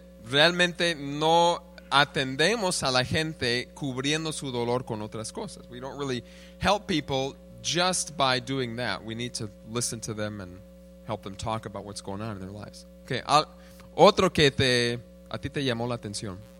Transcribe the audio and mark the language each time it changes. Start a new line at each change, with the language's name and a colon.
Spanish: realmente no atendemos a la gente cubriendo su dolor con otras cosas.
English: We don't really help people just by doing that. We need to listen to them and help them talk about what's going on in their lives.
Spanish: Okay, otro que a ti te llamó la atención.